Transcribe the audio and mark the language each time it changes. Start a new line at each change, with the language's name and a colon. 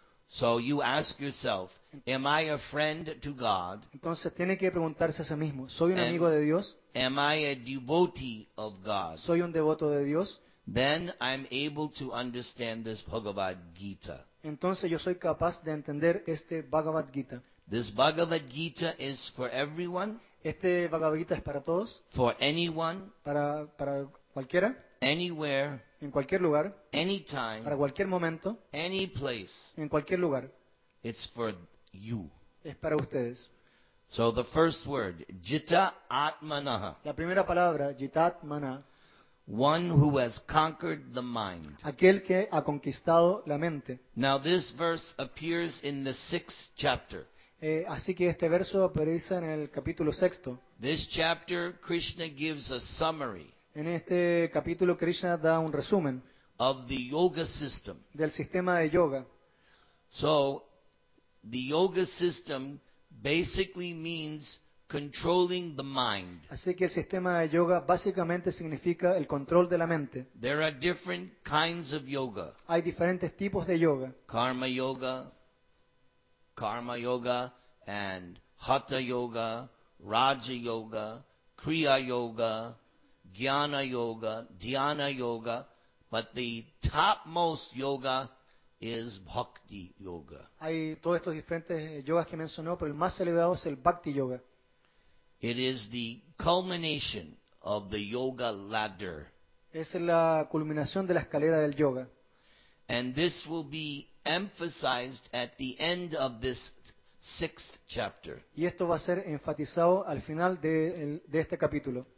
English: So you ask yourself, am I a friend to God?
Spanish: Entonces tiene que preguntarse a sí mismo, ¿soy un amigo de Dios?
English: Am I a devotee of God?
Spanish: ¿Soy un devoto de Dios?
English: Then I'm able to understand this Bhagavad Gita.
Spanish: Entonces yo soy capaz de entender este Bhagavad Gita.
English: This Bhagavad Gita is for everyone.
Spanish: Este Bhagavad Gita es para todos.
English: For anyone.
Spanish: Para cualquiera.
English: Anywhere.
Spanish: En cualquier lugar.
English: Anytime.
Spanish: Para cualquier momento.
English: Any place.
Spanish: En cualquier lugar.
English: It's for you.
Spanish: Es para ustedes.
English: So the first word, jita atmanaha.
Spanish: La primera palabra, jita atmana.
English: One who has conquered the mind.
Spanish: Aquel que ha conquistado la mente.
English: Now this verse appears in the sixth chapter.
Spanish: Así que este verso aparece en el capítulo sexto.
English: This chapter, Krishna gives a summary.
Spanish: En este capítulo Krishna da un resumen
English: of the yoga system.
Spanish: Del sistema de yoga.
English: So, the yoga system basically means controlling the mind.
Spanish: Así que el sistema de yoga básicamente significa el control de la mente.
English: There are different kinds of yoga.
Spanish: Hay diferentes tipos de yoga.
English: Karma yoga and hatha yoga, raja yoga, kriya yoga, jnana yoga, dhyana yoga, but the topmost yoga is bhakti yoga.
Spanish: Hay todos estos diferentes yogas que mencionó, pero el más elevado es el bhakti yoga.
English: It is the culmination of the yoga ladder.
Spanish: Es la culminación de la escalera del yoga.
English: And this will be emphasized at the end of this sixth chapter.
Spanish: Y esto va a ser enfatizado al final de este capítulo.